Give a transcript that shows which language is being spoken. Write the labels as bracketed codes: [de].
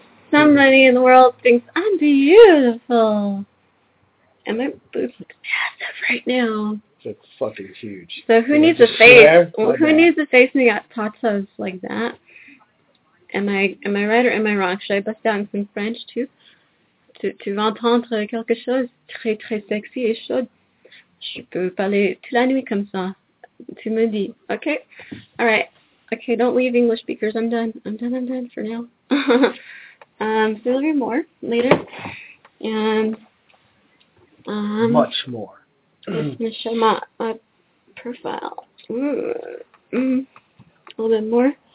[en] Somebody in the world thinks I'm beautiful. And my boobs look massive right now. It's fucking huge. So who needs a face? Who needs a face when you got tatas like that? Am I right or am I wrong? Should I bust out in some French too? [fr] Tu veux entendre quelque chose très très sexy et chaud? Je peux parler toute la nuit comme ça. Tu me dis, okay? [en] All right. Okay, don't leave English speakers. I'm done. I'm done for now. So there'll be more later. And much more. I'm going to show my profile. A little bit more.